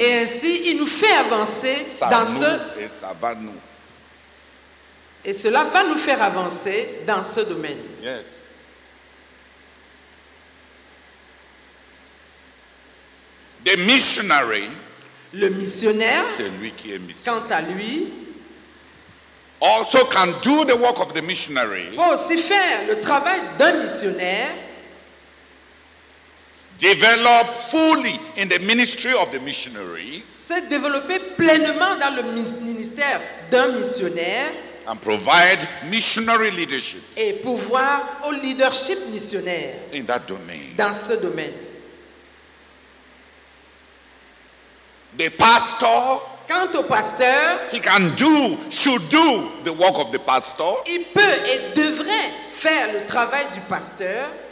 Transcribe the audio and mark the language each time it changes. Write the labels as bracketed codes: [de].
[fr] Et ainsi, il nous fait avancer ça dans nous, ce et ça va nous. Et cela va nous faire avancer dans ce domaine. [en] Yes. The missionary, [fr] le missionnaire, c'est lui qui est missionnaire. Quant à lui, [en] also can do the work of the missionary. [fr] Peut aussi faire le travail d'un missionnaire. [en] Develop fully in the ministry of the missionary. [fr] Se développer pleinement dans le ministère d'un missionnaire. [en] And provide missionary leadership. [fr] Et pouvoir au leadership missionnaire. [en] In that domain. [fr] Dans ce domaine. [en] The pastor. [fr] Quant au pasteur, [en] he can do, should do the work of the pastor. [fr] Il peut et devrait faire le travail du pasteur.